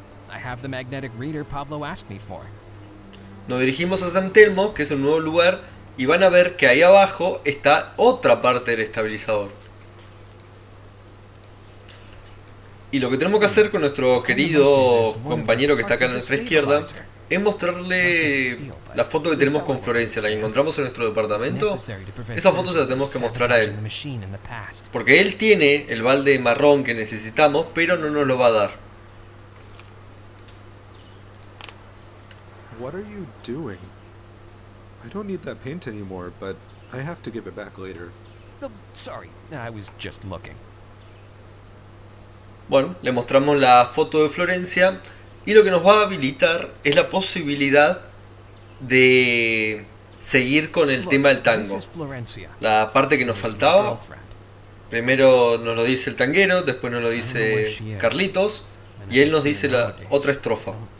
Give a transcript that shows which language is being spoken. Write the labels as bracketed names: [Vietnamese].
[English] I have the magnetic reader Pablo asked me for. [Spanish] Nos dirigimos a San Telmo, que es un nuevo lugar y van a ver que ahí abajo está otra parte del estabilizador. Y lo que tenemos que hacer con nuestro querido compañero que está acá a nuestra izquierda es mostrarle la foto que tenemos con Florencia, la que encontramos en nuestro departamento. Esa foto se la tenemos que mostrar a él. Porque él tiene el balde marrón que necesitamos, pero no nos lo va a dar. [English] What are you doing? I don't need that paint anymore, but I have to give it back later. Oh, sorry, I was just looking. [Spanish] Bueno, le mostramos la foto de Florencia y lo que nos va a habilitar es la posibilidad de seguir con el tema del tango. La parte que nos faltaba. Primero nos lo dice el tanguero, después nos lo dice Carlitos y él nos dice la otra estrofa.